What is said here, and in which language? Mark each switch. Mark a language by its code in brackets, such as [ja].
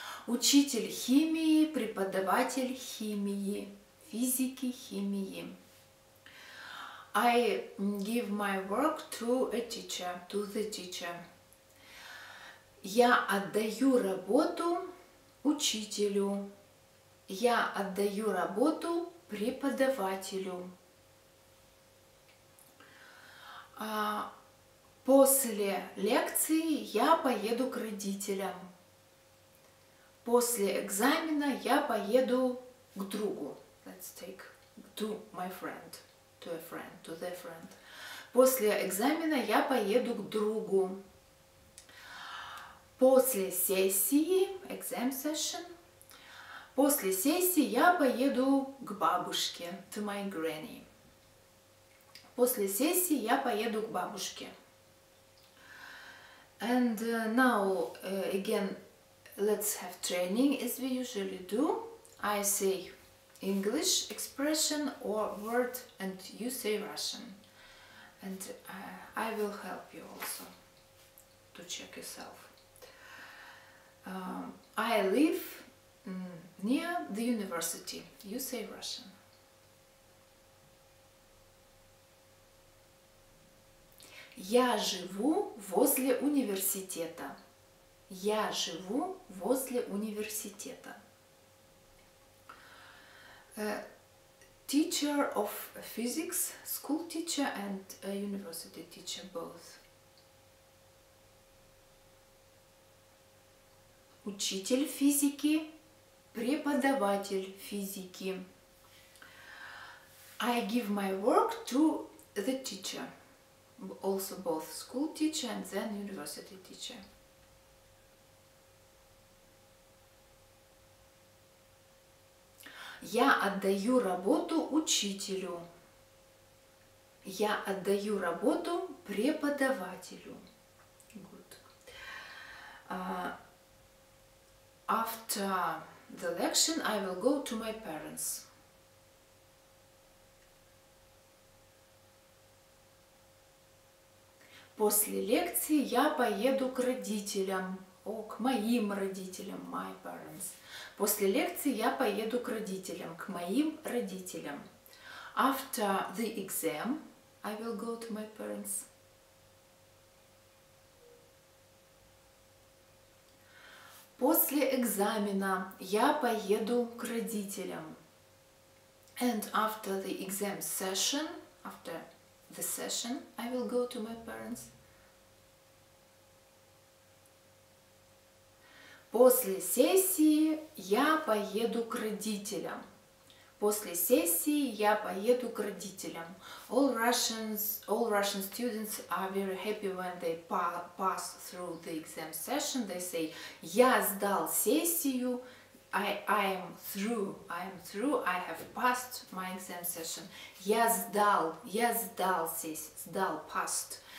[ru] Учитель химии, преподаватель химии, физики, химии. [en] I give my work to a teacher, to the teacher. [ru] Я отдаю работу учителю. Я отдаю работу преподавателю. После лекции я поеду к родителям. После экзамена я поеду к другу. [en] Let's take to my friend, to a friend, to their friend. [ru] После экзамена я поеду к другу. После сессии, [en] exam session. [ru] После сессии я поеду к бабушке, [en] to my granny. [ru] После сессии я поеду к бабушке. [en] And now, again, let's have training as we usually do. I say English expression or word and you say Russian. And I will help you also to check yourself. I live near the university. You say Russian. [ru] Я живу возле университета. Я живу возле университета. [en] Teacher of physics, school teacher and university teacher both. [ru] Учитель физики, преподаватель физики. [en] I give my work to the teacher. Also both school teacher and then university teacher. [ru] Я отдаю работу учителю. Я отдаю работу преподавателю. [en] Good. After the lecture, I will go to my parents. [ru] После лекции я поеду к родителям. О, к моим родителям, [en] my parents. [ru] После лекции я поеду к родителям, к моим родителям. [en] After the exam, I will go to my parents. [ru] После экзамена я поеду к родителям. And after the exam session, after the session, I will go to my parents. После сессии я поеду к родителям. После сессии я поеду к родителям. [en] All Russian students are very happy when they pass through the exam session. They say, [ru] я сдал сессию. [en] I am through. I have passed my exam session. [ru] Я сдал сессию.